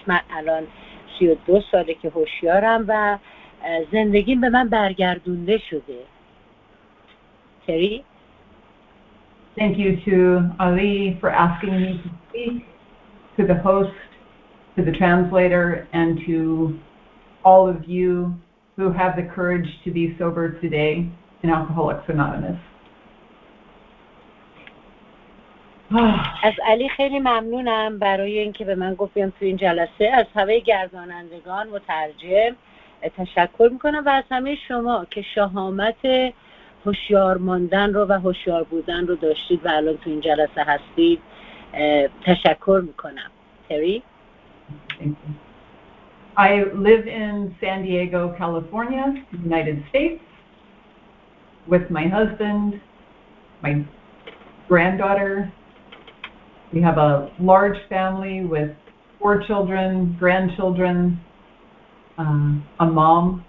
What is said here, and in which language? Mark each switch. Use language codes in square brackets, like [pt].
[fa] من الان 32 ساله که هوشیارم و زندگیم به من برگردونده شده. تری؟ [en] Thank you to Ali for asking me to speak, to the host, to the translator, and to all of you who have the courage to be sober today in Alcoholics Anonymous. [fa] از علی خیلی ممنونم برای اینکه به من گفت بیام تو این جلسه. از همه گردانندگان و مترجم تشکر میکنم و از همه شما که شهامت هوشیار ماندن رو و هوشیار بودن رو داشتید و الان تو این جلسه هستید تشکر میکنم. تری؟ [en] I live in San Diego, California, United States with my husband, my granddaughter. We have a large family with 4 children, grandchildren, a mom.